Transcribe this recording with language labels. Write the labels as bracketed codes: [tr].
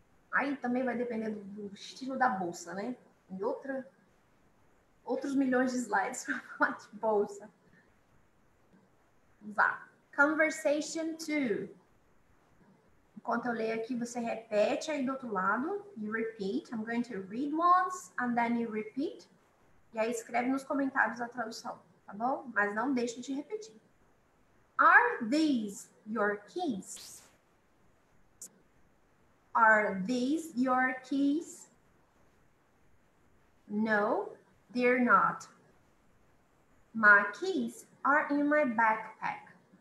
[pt] Aí também vai depender do estilo da bolsa, né? Tem outros milhões de slides para falar de bolsa. Vá. Conversation 2. Enquanto eu leio aqui, você repete aí do outro lado. [en] You repeat. I'm going to read once and then you repeat. [pt] E aí escreve nos comentários a tradução, tá bom? Mas não deixe de repetir. [en] Are these your keys? Are these your keys? No, they're not. My keys are in my backpack.